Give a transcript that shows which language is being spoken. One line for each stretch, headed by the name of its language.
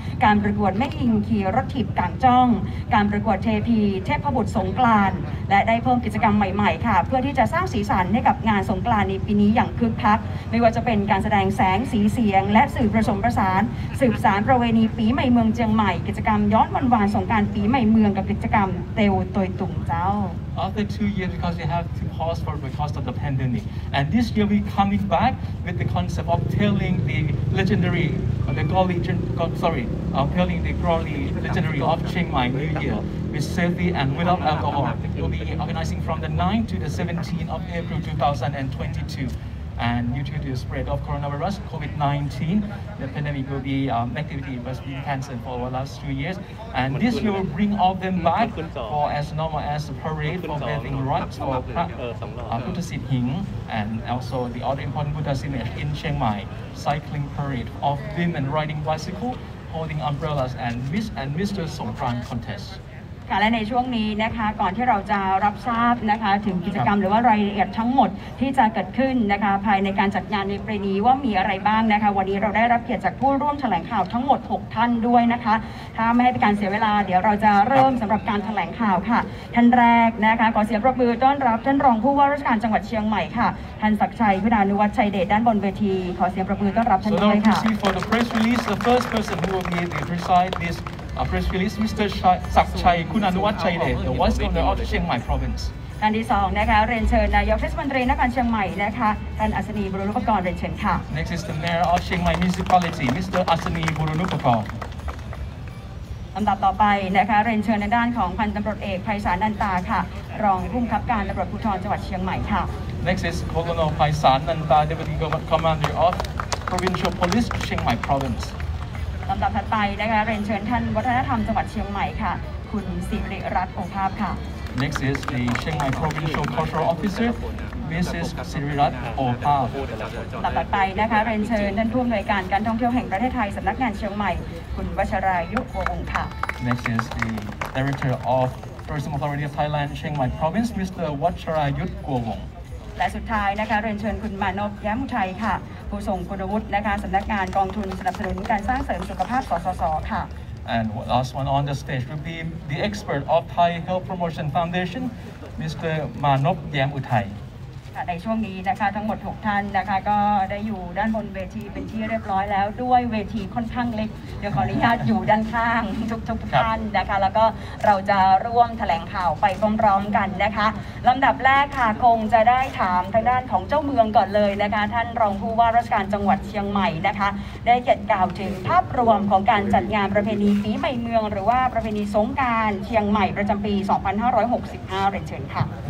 Thai: การประกวดแม่หญิงขี่รถถีบกลางจ้องการประกวดเทพีเทพบุตรสงกรานต์และได้เพิ่มกิจกรรมใหม่ๆค่ะเพื่อที่จะสร้างสีสันให้กับงานสงกรานต์ในปีนี้อย่างคึกคักไม่ว่าจะเป็นการแสดงแสงสีเสียงและสื่อผสมประสานสืบสานประเวณีปีใหม่เมืองเชียงใหม่กิจกรรมย้อนวันวานสงกรานต์ปีใหม่เมืองกับกิจกรรมเตวตวยตุงเจ้า
English: After 2 years because we have to pause for because of the pandemic and this year we coming back with the concept of telling the legendary the glory telling the glory legendary of Chiang Mai New Year with selfie and without alcohol we'll be organizing from the 9th to the 17th of April 2022and due to the spread of coronavirus COVID-19 the pandemic will be activity was being cancelled for the last 2 years and this year will bring all them back for as normal as the parade for bathing rites for Buddha Sithing and also the other important Buddha image in Chiang Mai cycling parade of women riding bicycle holding umbrellas and Miss and Mr. Songkran contest
Thai: ค่ะและในช่วงนี้นะคะก่อนที่เราจะรับทราบนะคะถึงกิจกรรมหรือว่ารายละเอียดทั้งหมดที่จะเกิดขึ้นนะคะภายในการจัดงานในปีนี้ว่ามีอะไรบ้างนะคะวันนี้เราได้รับเกียรติจากผู้ร่วมแถลงข่าวทั้งหมด6ท่านด้วยนะคะถ้าไม่ให้เป็นการเสียเวลาเดี๋ยวเราจะเริ่มสำหรับการแถลงข่าวค่ะท่านแรกนะคะขอเสียงปรบมือต้อนรับท่านรองผู้ว่าราชการจังหวัดเชียงใหม่ค่ะท่านศักชัยพุทธานุวัฒน์ชัยเดชด้านบนเวทีขอเสียงปรบมือต้อนรับท่านด้วยค่ะ
English: So for the press release the first person who will be the preside thisOur press release, Mr. Sakchai Kunanuwat Chaide, the Vice Governor of Chiang Mai Province.
Thai: ท่านที่สองนะคะเรียนเชิญนายกเทศมนตรีนครเชียงใหม่นะคะท่านอัศนีบุรุณุปกรณ์เรียนเชิญค่ะ
English: Next is the Mayor of Chiang Mai Municipality, Mr.
Thai: อัศนีบุรุณุปกรณ์ลำดับต่อไปนะคะเรียนเชิญในด้านของพันตำรวจเอกไพศาลนันตาค่ะรองผู้บังคับการตำรวจภูธรจังหวัดเชียงใหม่ค่ะ
English: Next is Colonel ไพศาลนันตา Deputy Commander of Provincial Police, Chiang Mai Province.
Thai: ลำดับถัดไปนะคะเรียนเชิญท่านวัฒนธรรมจังหวัดเชียงใหม่ค่ะคุณสิริรัตน์องค์ภาพค่ะ
English: Next is the Chiang Mai Provincial Cultural Officer Mrs. สิริรัตน์โอภาส
Thai: ต่อไปนะคะเรียนเชิญท่านผู้อำนวยการการท่องเที่ยวแห่งประเทศไทยสำนักงานเชียงใหม่คุณวัชรายุโกองค์ค่ะ
English: Next is the Director ofTourism Authority of Thailand, Chiang Mai Province, Mr. Wacharayut Guowong.
Thai: และสุดท้ายนะคะเรียนเชิญคุณมานพแย้มอุทัยค่ะผู้ทรงคุณวุฒินะคะสำนักงานกองทุนสนับสนุนการสร้างเสริมสุขภาพสสส. ค่ะ
English: And last one on the stage will be the expert of Thai Health Promotion Foundation, Mr. Manop Yam Uthai.
Thai: ในช่วงนี้นะคะทั้งหมด6ท่านนะคะก็ได้อยู่ด้านบนเวทีเป็นที่เรียบร้อยแล้วด้วยเวทีค่อนข้างเล็กเดี๋ยวขออนุญาตอยู่ด้านข้างทุกท่านนะคะแล้วก็เราจะร่วมแถลงข่าวไปพร้อมๆกันนะคะลำดับแรกค่ะคงจะได้ถามทางด้านของเจ้าเมืองก่อนเลยนะคะท่านรองผู้ว่าราชการจังหวัดเชียงใหม่นะคะได้เกียรติกล่าวถึงภาพรวมของการจัดงานประเพณีปีใหม่เมืองหรือว่าประเพณีสงกรานต์เชียงใหม่ประจำปี2565เรียนเชิญค่ะ